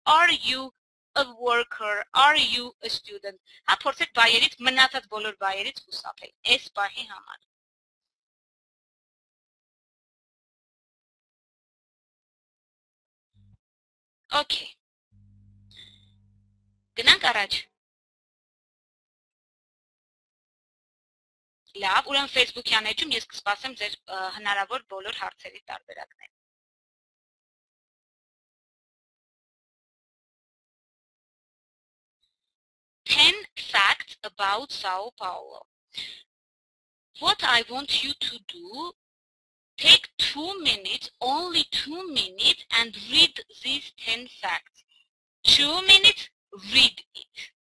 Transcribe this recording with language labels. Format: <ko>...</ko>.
<en>Are you a worker, are you a student?</en> <hy>Հա փորձեք բայերից, մնացած բոլոր բայերից խուսափել այս բայի համար։ Okay. Գնանք առաջ։ Լավ, ուրեմն Facebook-յան էջում ես կսպասեմ ձեր հնարավոր բոլոր հարցերի տարբերակներ։</hy> <en>Ten facts about Sao Paulo. What I want you to do, take 2 minutes, only 2 minutes, and read these 10 facts. 2 minutes, read it.</en>